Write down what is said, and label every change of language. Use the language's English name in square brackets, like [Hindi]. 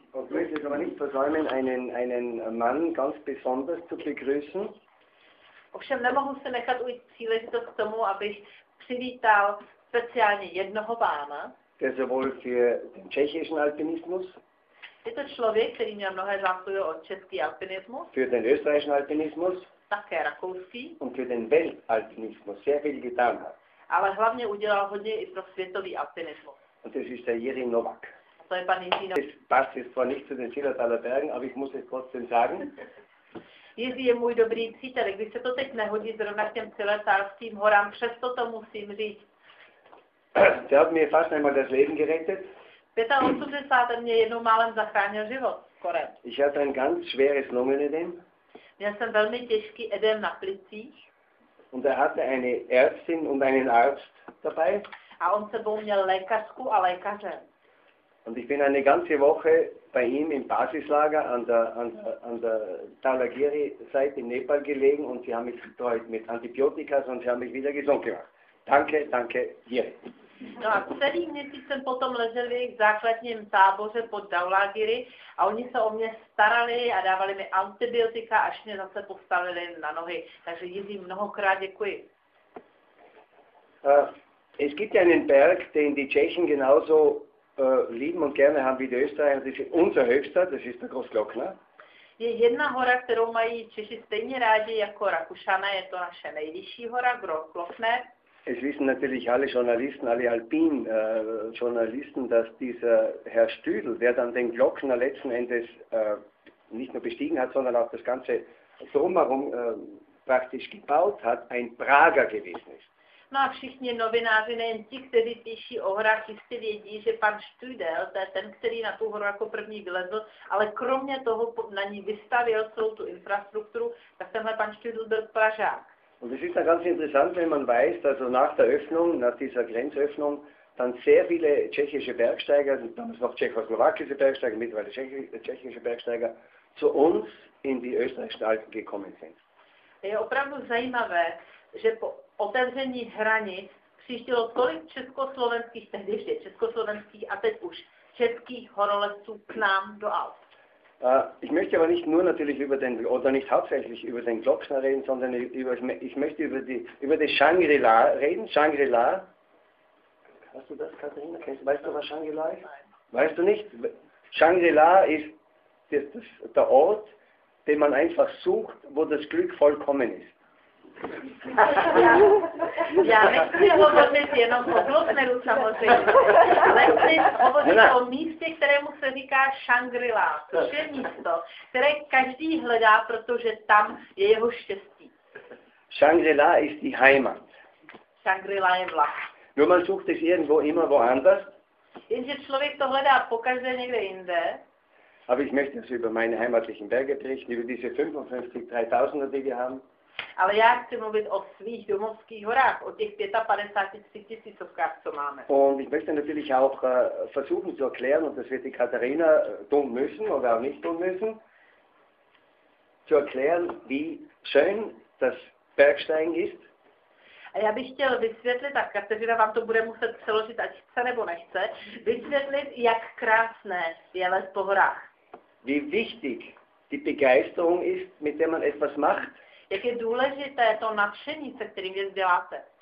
[German] mich aber nicht versäumen, einen Mann ganz besonders zu begrüßen. [Czech] Ovšem, nemohu se nechat ujít příležitost k tomu, abych přivítal speciálně jednoho pána. [German] Der sowohl für den tschechischen Alpinismus. [Czech] Je to člověk, který měl mnohé zásluhy o český alpinismus. [German] Für den österreichischen Alpinismus. [Czech] Také rakouský. [German] Und für den Weltalpinismus sehr viel getan hat. [Czech] Ale hlavně udělal hodně i pro světový alpinismus. [German] Und das ist der Jiří Novák. [Czech] A to je pan Jiří Novák. [German] Das passt jetzt zwar nicht zu den Zillertaler Bergen, aber ich muss es trotzdem sagen. [Czech] Jiří je můj dobrý přítel, když se to teď nehodí zrovna k těm Zillertalským horám, přesto to musím říct. [German] Der hat mir fast einmal das Leben gerettet. 85. [Czech] mě jednou málem zachránil život, skoro. [German] Ich hatte ein ganz schweres Lungenödem. [Czech] Měl jsem velmi těžký edem na plicích. [German] Und er hatte eine Ärztin und einen Arzt dabei. [Czech] A on sebou měl lékařku a lékaře. [German] Und ich bin eine ganze Woche bei ihm im Basislager an der Talagiri-Seite in Nepal gelegen und sie haben mich betreut mit Antibiotika und sie haben mich wieder gesund gemacht. Danke, danke, Jiri. [Czech] No a celý měsíc jsem potom ležel v jejich základním táboře pod Daulagiri a oni se o mě starali a dávali mi antibiotika, až mě zase postavili na nohy. Takže Jiří, mnohokrát děkuji. [German] Es gibt einen Berg, den die Tschechen genauso lieben und gerne haben wie die Österreicher. Das ist unser höchster, das ist der Großglockner. [Czech] Je jedna hora, kterou mají Češi stejně rádi jako Rakušané, je to naše nejvyšší hora, Großglockner. [German] Es wissen natürlich alle Journalisten, alle Alpin-Journalisten, dass dieser Herr Stüdel, der dann den Glockner letzten Endes nicht nur bestiegen hat, sondern auch das ganze Drumherum praktisch gebaut hat, ein Prager gewesen ist. [Czech] No a všichni novináři, nejen ti, kteří píší o horách, jistě vědí, že pan Stüdel, to je ten, který na tu horu jako první vylezl, ale kromě toho na ní vystavil celou tu infrastrukturu, tak tenhle pan Stüdel byl Pražák. [German] Und es ist dann ganz interessant, wenn man weiß, dass also nach der Öffnung, nach dieser Grenzöffnung, dann sehr viele tschechische Bergsteiger, damals noch tschechoslowakische Bergsteiger, mittlerweile tschechische Bergsteiger, zu uns in die österreichischen Alpen gekommen sind. [Czech] Je opravdu zajímavé, že po otevření hranic přijíždělo tolik československých, tehdy ještě československých a teď už českých horolezců k nám do Alp. [German] Ich möchte aber nicht nur natürlich über den, oder nicht hauptsächlich über den Glockner reden, sondern ich möchte über die Shangri-La reden. Shangri-La, hast du das, Katharina? Weißt du, was Shangri-La ist? Nein. Weißt du nicht? Shangri-La ist das der Ort, den man einfach sucht, wo das Glück vollkommen ist. [Czech] Já nechci hovořit jenom o Glockneru samozřejmě, ale hovořit o místě, kterému se říká Shangri-La, což je místo, které každý hledá, protože tam je jeho štěstí. [German] Shangri-La ist die Heimat. [Czech] Shangri-La je vlast. [German] Nur man sucht es irgendwo immer woanders. [Czech] Jenže člověk to hledá pokaždé někde jinde. [German] Aber ich möchte es über meine heimatlichen Berge berichten, über diese 55.000er, die wir haben. [Czech] Ale já chci mluvit o svých domovských horách, o těch 55 000, co máme. [German] Und ich möchte natürlich auch versuchen zu erklären, und das wird die Katharina tun müssen oder auch nicht tun müssen, zu erklären, wie schön das Bergsteigen ist. [Czech] A já bych chtěl vysvětlit, a Katarína vám to bude muset přeložit, ať chce nebo nechce, vysvětlit, jak krásné je les po horách. [German] Wie wichtig die Begeisterung ist, mit der man etwas macht. [Czech] Jak je důležité to nadšení, se kterým věc děláte.